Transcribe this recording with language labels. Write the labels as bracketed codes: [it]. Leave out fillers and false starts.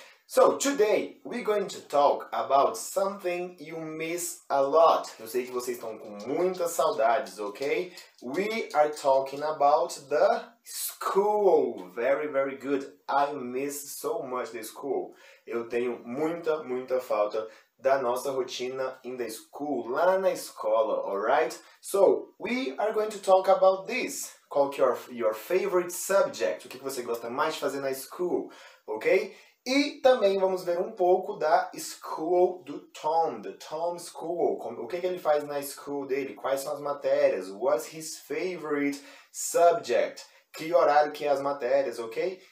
[en] So, today, we're going to talk about something you miss a lot. [pt] Eu sei que vocês estão com muitas saudades, ok? [en] We are talking about the school. Very, very good. I miss so much the school. [pt] Eu tenho muita, muita falta da nossa rotina [en] in the school, [pt] lá na escola, alright? [en] So, we are going to talk about this. [pt] Qual que é [en] your favorite subject? [pt] O que você gosta mais de fazer na school, ok? E também vamos ver um pouco da school do Tom, the Tom School. O que ele faz na school dele? Quais são as matérias? [en] What's his favorite subject? [pt] Que horário que é as matérias, ok?